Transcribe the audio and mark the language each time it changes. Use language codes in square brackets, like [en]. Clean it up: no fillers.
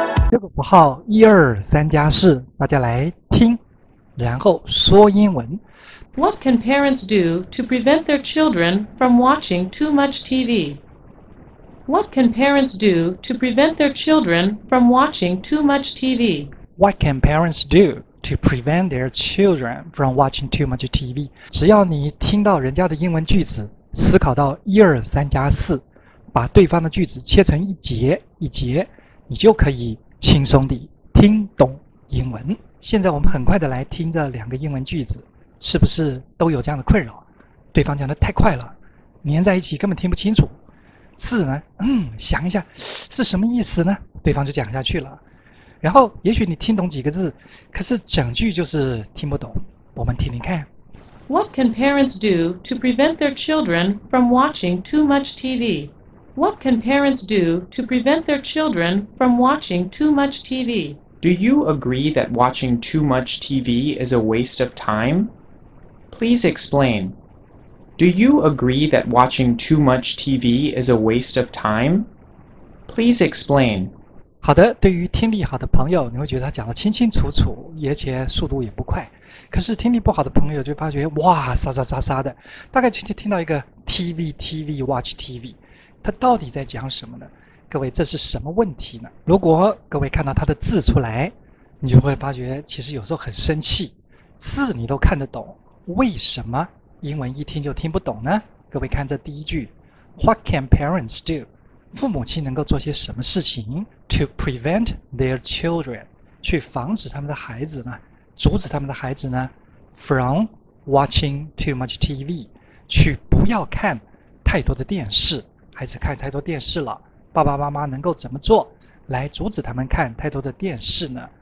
[zh] 这个符号一二三加四，大家来听，然后说英文。 [en] What can parents do to prevent their children from watching too much TV? What can parents do to prevent their children from watching too much TV? What can parents do to prevent their children from watching too much TV? [zh] 只要你听到人家的英文句子，思考到一二三加四，把对方的句子切成一节一节，你就可以轻松地听懂英文。现在我们很快地来听这两个英文句子，是不是都有这样的困扰？对方讲得太快了，粘在一起根本听不清楚。字呢，想一下是什么意思呢？对方就讲下去了。然后也许你听懂几个字，可是整句就是听不懂。我们听听看。 [en] What can parents do to prevent their children from watching too much TV? What can parents do to prevent their children from watching too much TV? Do you agree that watching too much TV is a waste of time? Please explain. Do you agree that watching too much TV is a waste of time? Please explain. [zh] 好的，对于听力好的朋友，你会觉得他讲得清清楚楚，而且速度也不快。可是听力不好的朋友就发觉，哇，沙沙沙沙的，大概就听到一个 [en] TV TV watch TV。 [zh] 他到底在讲什么呢？各位，这是什么问题呢？如果各位看到他的字出来，你就会发觉其实有时候很生气，字你都看得懂，为什么英文一听就听不懂呢？各位看这第一句， [en] What can parents do？ [zh] 父母亲能够做些什么事情？ [en] To prevent their children， [zh] 去防止他们的孩子呢？阻止他们的孩子呢？ [en] From watching too much TV， [zh] 去不要看太多的电视。孩子看太多电视了，爸爸妈妈能够怎么做来阻止他们看太多的电视呢？